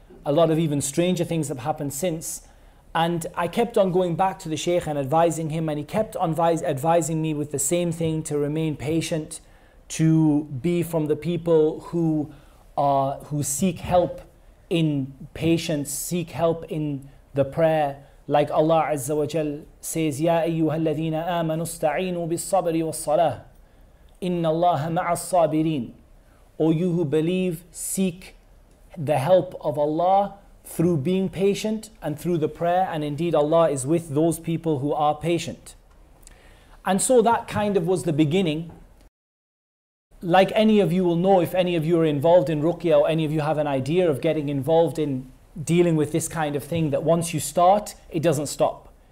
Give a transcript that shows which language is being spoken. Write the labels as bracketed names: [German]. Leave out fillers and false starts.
[English] A lot of even stranger things have happened since. And I kept on going back to the Sheikh and advising him, and he kept on advising me with the same thing, to remain patient, to be from the people who seek help in patience, seek help in the prayer. Like Allah Azza wa Jal says, [Arabic] يَا أَيُّهَا الَّذِينَ آمَنُوا اسْتَعِينُوا بِالصَّبْرِ وَالصَّلَاةِ إِنَّ اللَّهَ مَعَ الصَّابِرِينَ. [English] O you who believe, seek the help of Allah through being patient and through the prayer, and indeed Allah is with those people who are patient. And so that kind of was the beginning. Like any of you will know, if any of you are involved in Ruqya, or any of you have an idea of getting involved in dealing with this kind of thing, that once you start, it doesn't stop.